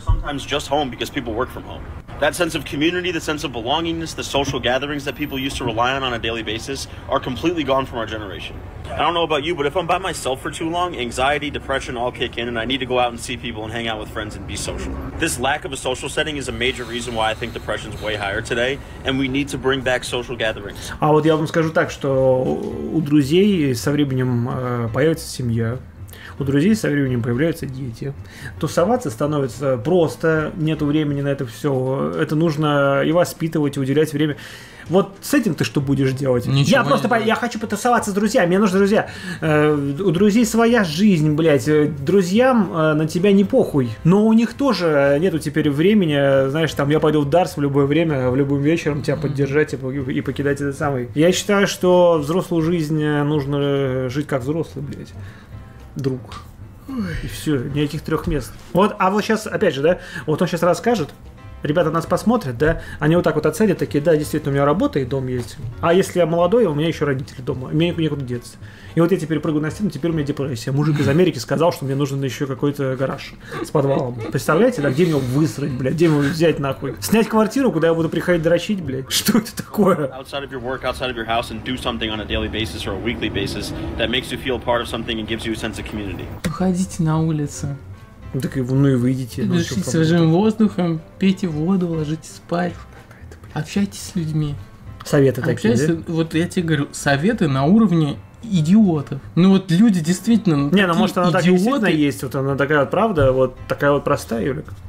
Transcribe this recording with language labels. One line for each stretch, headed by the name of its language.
English: Sometimes just home because people work from home. That sense of community, the sense of belongingness, the social gatherings that people used to rely on a daily basis are completely gone from our generation. I don't know about you, but if I'm by myself for too long, anxiety, depression all kick in and I need to go out and see people and hang out with friends and be social. This lack of a social setting is a major reason why I think depression's way higher today and we need to bring back social gatherings.
Russian: А вот я вам скажу так, что у друзей со временем появится семья. У друзей со временем появляются дети. Тусоваться становится просто. Нету времени на это все. Это нужно и воспитывать, и уделять время. Вот с этим ты что будешь делать? Ничего я просто я хочу потусоваться с друзьями. Мне нужны друзья. У друзей своя жизнь, блядь. Друзьям на тебя не похуй. Но у них тоже нету теперь времени. Знаешь, там я пойду в Дарс в любое время, в любом вечером тебя поддержать и покидать этот самый. Я считаю, что взрослую жизнь нужно жить как взрослый, блядь. Друг. И все, никаких трех мест. Вот, а вот сейчас, опять же, да, вот он сейчас расскажет, ребята нас посмотрят, да, они вот так вот оценят, такие, да, действительно, у меня работа и дом есть. А если я молодой, у меня еще родители дома, мне некуда деться. И вот я теперь прыгаю на стену, теперь у меня депрессия. Мужик из Америки сказал, что мне нужен еще какой-то гараж с подвалом. Представляете, да, где мне его высрать, блядь, где мне его взять нахуй? Снять квартиру, куда я буду приходить дрочить, блядь? Что это такое?
English: Outside of your work, outside of your house and do something on a daily basis or a weekly basis that makes you feel part of something and gives you a sense of community.
Russian: Походите на улицу. Ну так и, ну и выйдите. Дышите свежим воздухом, пейте воду, ложитесь спать. Общайтесь с людьми. Советы общайтесь, такие, да? Вот я тебе говорю, советы на уровне идиотов. Ну вот люди действительно идиоты. Не, ну может она идиоты. Так действительно есть, вот она такая вот правда, вот такая вот простая, Юлик.